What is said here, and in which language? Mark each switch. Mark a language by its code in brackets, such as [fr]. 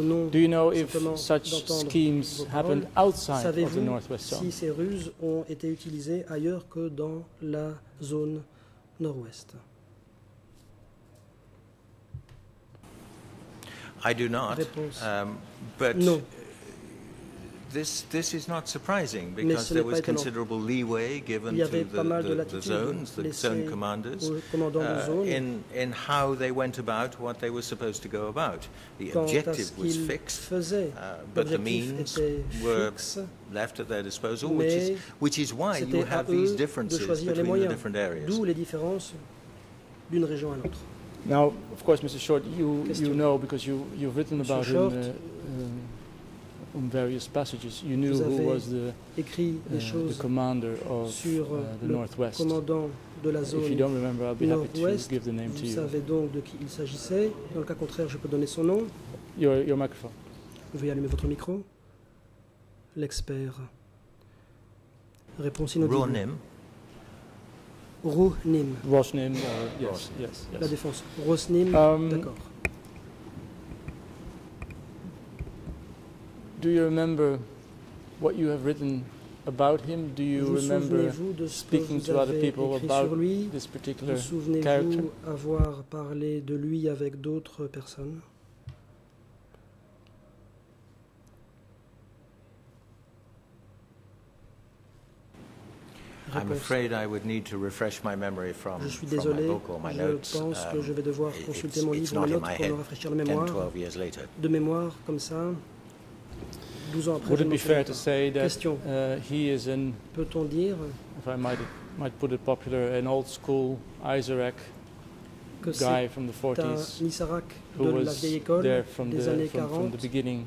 [en] Do you know if such schemes happened outside of the northwest zone? [fr] Si ces ruses ont été utilisées ailleurs que dans la zone nord-ouest. [en] I do not. But [fr] non. [en] This is not surprising because there was considerable leeway given to the zones, the zone commanders, in how they went about what they were supposed to go about. The objective was fixed, but the means were left at their disposal, which is why you have these differences between the different areas. [fr] D'où les différences d'une région à l'autre. [en] Now, of course, Mr. Short, you know because you've written about Short, it. In various passages, you knew who was the commander of the northwest. [fr] De la zone [en] if you don't remember, I'll be happy to give the name [fr] vous [en] to you. [fr] Savez donc de qui il s'agissait. Dans le cas contraire, je peux donner son nom. [en] Your microphone. [fr] Vous pouvez allumer votre micro. L'expert. Réponse inaudible. Rosnim. [en] Rosnim. Yes. [fr] La défense. Rosnim. D'accord. [en] Do you remember what you have written about him? Do you remember speaking to other people about this particular character? [fr] Souvenez-vous avoir parlé de lui avec d'autres personnes? [en] I'm afraid I would need to refresh my memory from [fr] Je suis désolé, [en] my notes. [fr] Je pense que je vais devoir consulter mon livre pour me rafraîchir la mémoire. [en] 10-12 years later. [fr] De mémoire comme ça. [en] Would it be fair to say that [fr] Question. [en] He is an, [fr] Peut-on dire, [en] if I might put it popular, an old school Isaac guy from the 40s, who was there from the beginning,